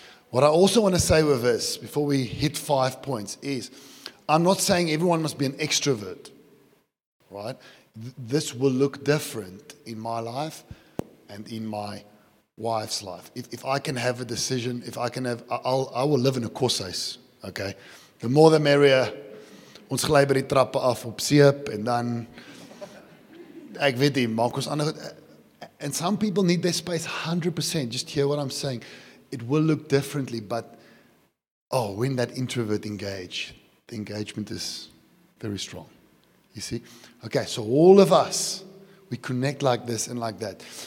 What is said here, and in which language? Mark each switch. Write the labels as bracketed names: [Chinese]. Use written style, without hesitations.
[English] What I also want to say with this, before we hit 5 points, is I'm not saying everyone must be an extrovert, right? This will look different in my life and in my wife's life. If I can have a decision, if I can have, I will live in a course, okay? The more the merrier. [Afrikaans] Ons gly by die trappe af op seep en dan ek weet nie, maak ons ander goed. [English] And some people need their space 100%. Just hear what I'm saying. It will look differently, but oh, when that introvert engage, the engagement is very strong. You see? Okay, so all of us, we connect like this and like that.